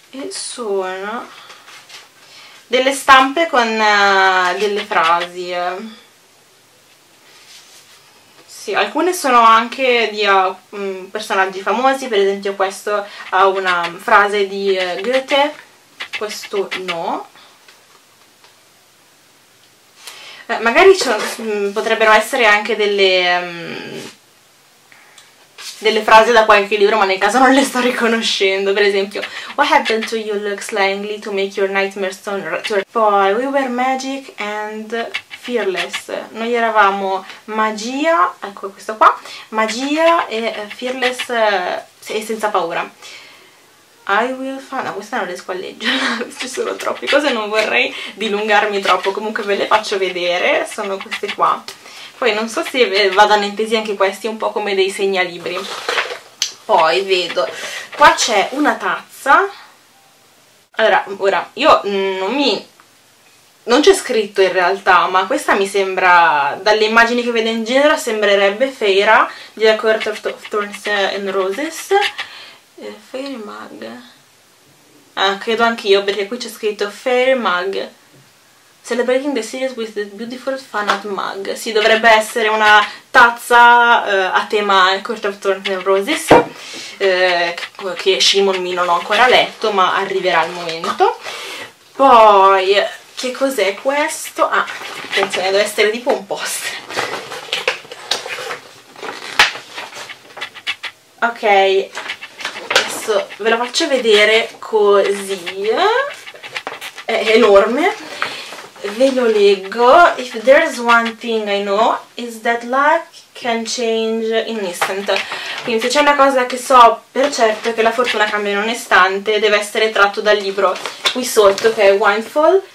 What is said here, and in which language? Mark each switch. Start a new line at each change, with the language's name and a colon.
Italian: Sono delle stampe con delle frasi, sì, alcune sono anche di personaggi famosi, per esempio questo ha una frase di Goethe, questo no, magari potrebbero essere anche delle frasi da qualche libro, ma nel caso non le sto riconoscendo. Per esempio,
English: what happened to you looks likely to make your nightmares turn to...
Italian: Poi,
English: we were magic and fearless.
Italian: Noi eravamo magia, ecco questo qua, magia e fearless e senza paura.
English: I will find...
Italian: no, questa non riesco a leggerla, ci sono troppe cose, non vorrei dilungarmi troppo. Comunque ve le faccio vedere, sono queste qua. Poi non so se vadano intesi anche questi un po' come dei segnalibri. Poi vedo, qua c'è una tazza. Allora, ora, io non c'è scritto in realtà, ma questa mi sembra, dalle immagini che vedo in genere, sembrerebbe Feyre di A Court of Thorns and Roses. Feyre Mug. Ah, credo anch'io, perché qui c'è scritto Feyre Mug.
English: Celebrating the series with the beautiful fan art mug.
Italian: Sì, dovrebbe essere una tazza a tema Court of Thorns and Roses, che Shimon mi non ho ancora letto, ma arriverà il momento. Poi, che cos'è questo? Ah, attenzione, deve essere tipo un poster. Ok, adesso ve lo faccio vedere così. È enorme. Ve lo leggo.
English: If there's one thing I know is that luck can change in an instant.
Italian: Quindi se c'è una cosa che so per certo è che la fortuna cambia in un istante, deve essere tratto dal libro qui sotto che è Windfall.